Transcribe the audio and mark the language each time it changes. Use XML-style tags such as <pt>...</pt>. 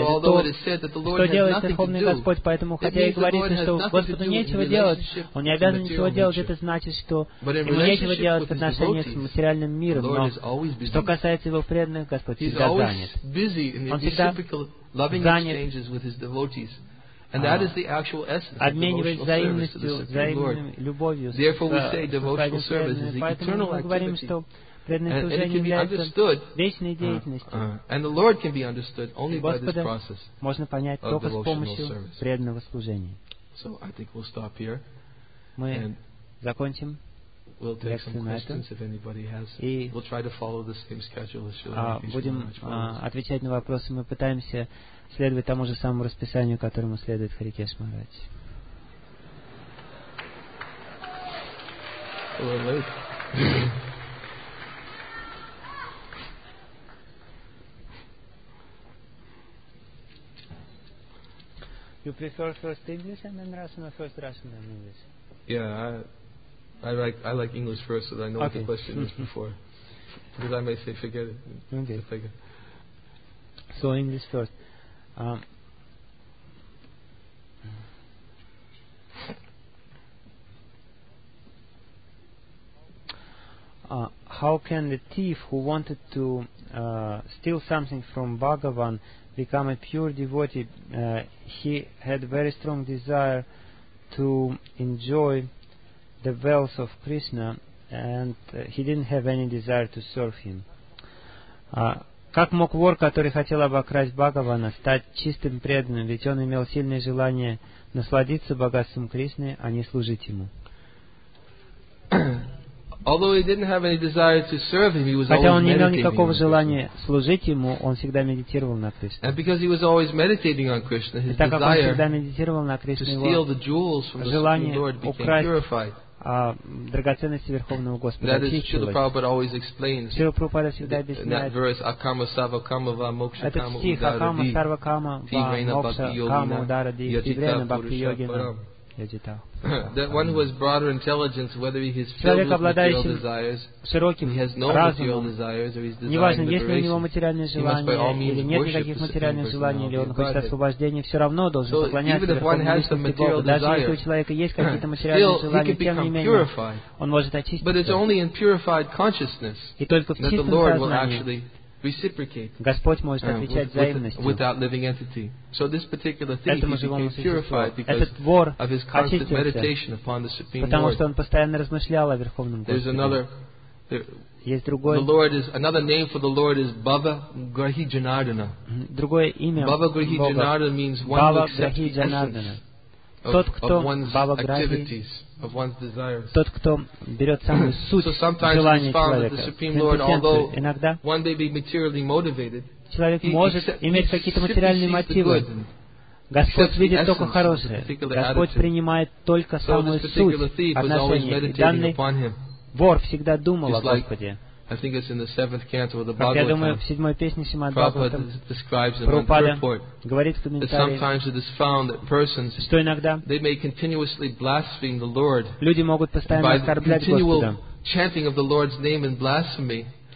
<ru>Это то, что делает Верховный Господь. Поэтому, хотя и говорится, что Господу нечего делать, Он не обязан ничего делать, это значит, что Ему нечего делать в отношении с материальным миром. Но что касается Его преданных, Господь всегда занят. Он всегда занят.</ru> <en>And that is the actual essence of devotional service to the Supreme Lord. Therefore, we say devotional service is eternal activity. And it can be understood, and the Lord can be understood only by this process of devotional service. So, I think we'll stop here. And we'll take some questions if anybody has. We'll try to follow the same schedule as Srila Krishna Maharaj.</en> <ru>Следует тому же самому расписанию, которому следует Хари Кеша Махарадж.</ru> <en>You prefer first English and then Russian or first Russian and English? Yeah, I like English first, so that I know what the question is before. Because I may say forget it. Okay. So in this verse, how can the thief who wanted to steal something from Bhagavan become a pure devotee? He had very strong desire to enjoy the wealth of Krishna, and he didn't have any desire to serve him.</en> <ru>Как мог вор, который хотел обокрасть Бхагавана, стать чистым преданным, ведь он имел сильное желание насладиться богатством Кришны, а не служить ему?</ru> <en>Although he didn't have any desire to serve him, he was always meditating.</en> <ru>Хотя он не имел никакого желания служить ему, он всегда медитировал на Кришне.</ru> <en>And because he was always meditating on Krishna, his desire to steal the jewels from the Supreme Lord became purified.</en> <ru>Драгоценности Верховного Господа.</ru> <en>Шрила Прабхупада always explains.</en> <ru>Шрила Прабхупада всегда объясняет.</ru> <en>That verse,</en> <sa>Акама сарва кама ва мокша кама удара ди.</sa> <ru>Этот стих,</ru> <sa>Акама сарва кама ва мокша кама удара ди. Пиврена бхакти йогина.</sa> <ru>Я читал.</ru> <en>That one who has broader intelligence, whether he is filled with material desires,</en> <ru>широким,</ru> <en>he has no material desires, or he's desiring</en> <ru>неважно,</ru> <en>liberation,</en> <ru>ли у него материальные желания, или нет никаких материальных желаний, или он хочет освобождения, все равно должен поклоняться Верховному Господу Богу. Даже если у человека есть какие-то материальные желания, тем не менее, он может очиститься. И только в чистом сознании Господь может отвечать взаимностью этому живому существу. Этот вор очистился, потому что он постоянно размышлял о Верховном Господе. Есть другое.</ru> <en>The Lord is, another name for the Lord is Bhava Grahi Janardana.</en> <ru>Другое имя Бхава Грахи Джанардана</ru> <en>means one who accepts the essence of one's activities. Of one's desires.</en> <ru>Тот, кто берет самую суть</ru> <en>so</en> <ru>желания человека,</ru> <en>Lord, although</en> <ru>иногда</ru> <en>one may be materially motivated,</en> <ru>человек может иметь какие-то материальные мотивы. Господь видит только хорошее. Господь принимает только самую суть отношения. И данный вор всегда думал о Господе.</ru> <en>I think it's in the seventh canto of the Bhagavatam. Prabhupada describes in one report that sometimes it is found that persons, they may continuously blaspheme the Lord by continual chanting of the Lord's name in blasphemy.</en>